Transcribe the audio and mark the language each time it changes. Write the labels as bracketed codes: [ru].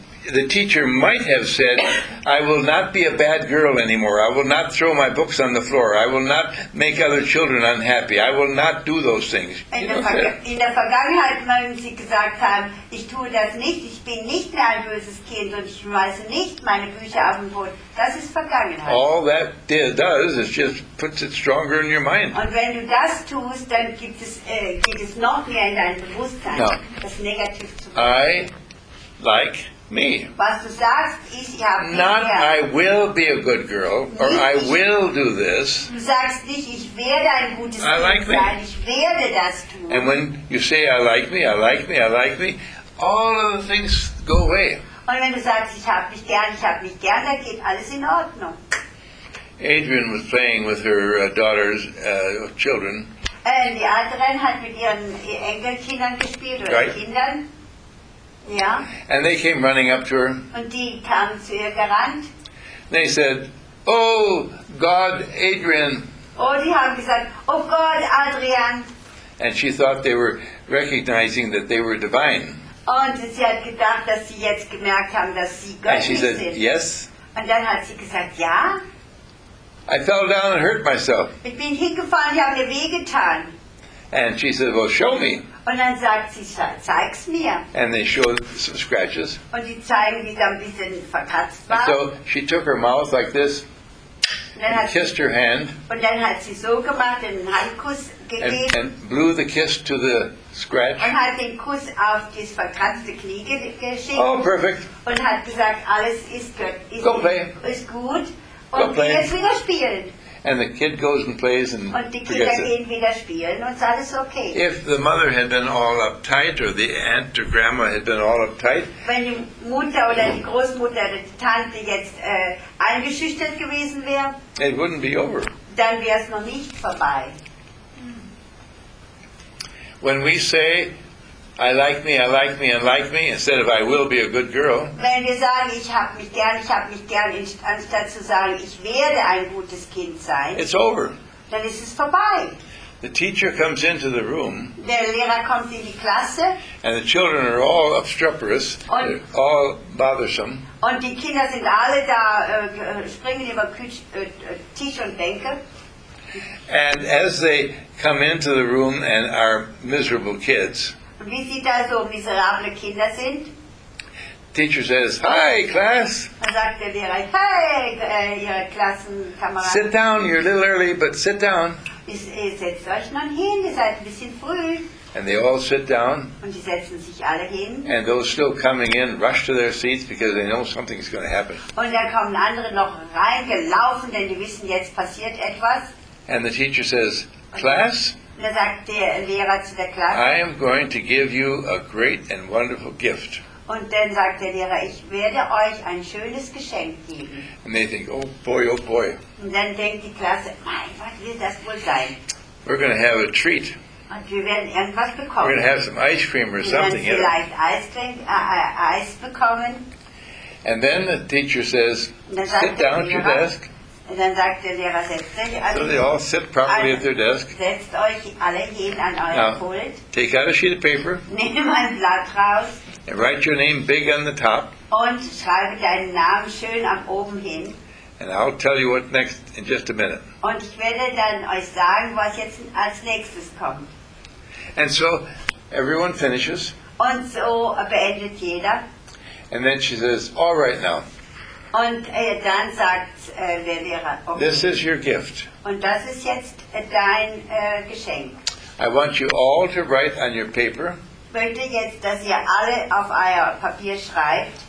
[en] The teacher might have said, I will not be a bad girl anymore. I will not throw my books on the floor. I will not make other children unhappy. I will not do those things. [de] In der Vergangenheit, wenn sie gesagt haben, ich tue das nicht, ich bin nicht mehr ein böses Kind und ich schmeiße nicht meine Bücher auf den Boden. Das ist Vergangenheit. [en] All that does is just puts it stronger in your mind. [de] Und wenn du das tust, dann geht es noch mehr in dein Bewusstsein, [en] no. [de] Das negativ zu machen. [en] I like me. [de] Was du sagst, ist, ich habe [en] Not I will be a good girl, or [de] nicht, [en] I will do this. [de] Du sagst nicht, ich werde ein gutes Kind [en] like [de] sein, [en] me. [de] Ich werde das tun. [en] And when you say, I like me, I like me, I like me, all of the things go away. [de] Und wenn du sagst, ich hab mich gern, ich hab mich gern, dann geht alles in Ordnung. [en] Adrian was playing with her daughter's children. [de] Und die Adrian hat mit ihren Enkelkindern gespielt, oder [en] right. [de] Kindern. Ja. [en] And they came running up to her. [de] Und die kamen zu ihr gerannt. [en] They said, oh God, Adrian. [de] Oh, die haben gesagt, oh Gott, Adrian. [en] And she thought they were recognizing that they were divine. [de] Und sie hat gedacht, dass sie jetzt gemerkt haben, dass sie göttlich [en] said, [de] sind. [en] Yes. [de] Und dann hat sie gesagt, ja. [en] I fell down and hurt myself. [de] Ich bin hingefallen, ich habe mir weh getan. [en] And she said, well, show me. [de] Und dann sagt sie, zeig's mir. [en] And they showed some scratches. [de] Und die zeigen, wie sie ein bisschen verkratzt war. [en] And so she took her mouth like this and kissed her hand. [de] Und dann hat sie so gemacht, einen Handkuss gegeben. [en] And blew the kiss to the scratch. [de] Und hat den Kuss auf das verkratzte Knie geschickt. [en] Oh, perfect. [de] Und hat gesagt, alles ist gut. [en] Go play. [de] Ist gut. [en] Go [de] und [en] play. [de] Jetzt wieder spielen. [en] And the kid goes and plays and [de] und die Kinder gehen wieder spielen und alles okay. [en] If the mother had been all uptight or the aunt or grandma had been all uptight. [de] Wenn die Mutter oder die Großmutter oder die Tante jetzt eingeschüchtert gewesen wäre. [en] It wouldn't be over. [de] Dann wäre es noch nicht vorbei. [en] When we say, I like me, I like me, I like me, instead of I will be a good girl. [de] Wenn wir sagen, ich hab mich gern, ich hab mich gern, anstatt zu sagen, ich werde ein gutes Kind sein. [en] It's over. [de] Dann ist es vorbei. [en] The teacher comes into the room. [de] Der Lehrer kommt in die Klasse. [en] And the children are all obstreperous. [de] Und [en] they're all bothersome. [de] Und die Kinder sind alle da, springen über Tisch und Bänke. [en] And as they come into the room and are miserable kids, [de] wie sie da so miserable Kinder sind, [en] teacher says, hi, class. [de] Dann sagt der Lehrer, hi, ihre Klassenkameraden. [en] Sit down, you're a little early, but sit down. [de] Setzt euch mal hin, ihr seid ein bisschen früh. [en] And they all sit down. [de] Und sie setzen sich alle hin. [en] And those still coming in rush to their seats because they know something's going to happen. [de] Und dann kommen andere noch reingelaufen, denn die wissen, jetzt passiert etwas. [en] And the teacher says, class, I am going to give you a great and wonderful gift. [de] Und dann sagt der Lehrer, ich werde euch ein schönes Geschenk geben. [en] And they think, oh boy, oh boy. [de] Und dann denkt die Klasse, mein, was wird das wohl sein? [en] We're going to have a treat. [de] Und wir werden irgendwas bekommen. [en] We're going to have some ice cream or [de] wir [en] something. [de] Vielleicht Eis bekommen. [en] And then the teacher says, sit down at your desk. [de] Und dann sagt der Lehrer, setzt euch [en] so they all sit properly at their desk. [de] Setzt euch alle hin an euren [en] Now, [de] Pult. [en] Take out a sheet of paper. [de] Nimm ein Blatt raus. [en] And write your name big on the top. [de] Und schreibe deinen Namen schön ab oben hin. [en] And I'll tell you what next in just a minute. [de] Und ich werde dann euch sagen, was jetzt als nächstes kommt. [en] And so everyone finishes. [de] Und so beendet jeder. [en] And then she says, all right now. [de] Und dann sagt der Lehrer, okay, [en] this is your gift. [de] Und das ist jetzt dein Geschenk. [en] I want you all to write on your paper. [de] Möchte jetzt, dass ihr alle auf euer Papier schreibt.